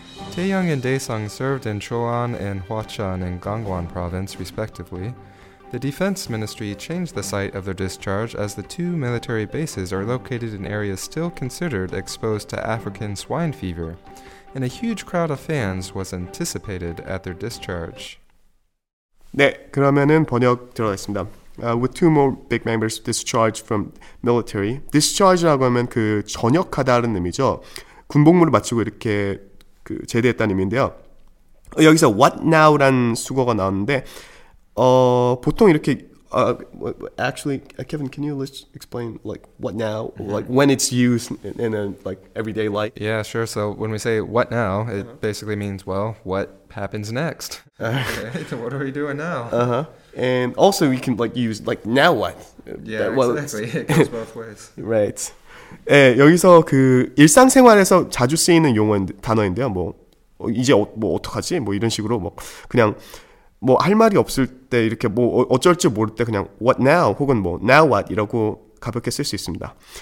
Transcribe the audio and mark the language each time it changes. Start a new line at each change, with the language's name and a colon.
English: Taeyong and Daesung served in Cheollan and Hwacheon in Gangwon Province, respectively. The Defense Ministry changed the site of their discharge as the two military bases are located in areas still considered exposed to African swine fever, and a huge crowd of fans was anticipated at their discharge.
Korean: 네, 그러면은 번역 들어가겠습니다.
English: With two more big members discharged from military.
Korean: Discharge라고 하면 그 전역하다는 의미죠. 군복무를 마치고 이렇게 그 제대했다는 의미인데요. 여기서 what now라는 수거가 나왔는데 보통 이렇게
English: actually Kevin, can you explain like what now? Mm-hmm. Like when it's used in a like everyday life? Yeah, sure. So when we say what now, it basically means well, what happens next? Okay, so what are we doing now? Uh-huh. And also, you can like use like now what? Yeah, that, well, exactly. It goes both ways. Right.
Korean: 예, 여기서 그 일상생활에서 자주 쓰이는 용어 단어인데요. 뭐 이제 뭐 어떡하지? 뭐 이런 식으로 뭐 그냥 뭐 할 말이 없을 때 이렇게 뭐 어쩔 줄 모를 때 그냥 what now 혹은 뭐 now what 이라고 가볍게 쓸 수 있습니다.